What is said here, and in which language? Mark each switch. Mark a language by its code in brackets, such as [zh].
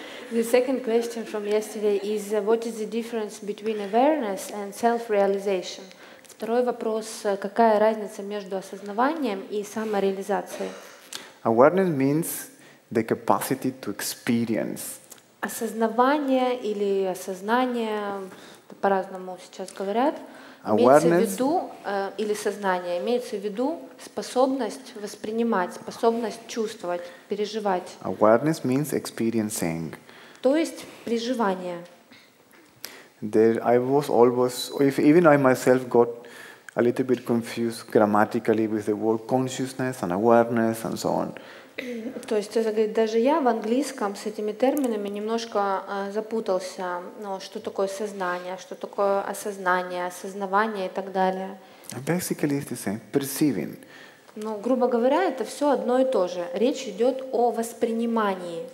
[en] The second question from yesterday is what is the difference between awareness and self-realization? [ru] Второй вопрос: какая разница между осознаванием и самореализацией? [en] Awareness means the capacity to experience. [ru] Осознавание или осознание это по-разному сейчас говорят. [en] Awareness. [ru] Имеется в виду, или сознание, имеется в виду способность воспринимать, способность чувствовать, переживать. [en] Awareness means experiencing. [ru] То есть переживание. [en] There, I was always, if even I myself got a little bit confused grammatically with the word consciousness and awareness and so on. [ru] То есть, говорит, даже я в английском с этими терминами немножко запутался, но что такое сознание, что такое осознание, осознавание и так далее. [en] Basically it's the same, perceiving. [ru] Ну, грубо говоря, это все одно и то же. Речь идет о воспринимании.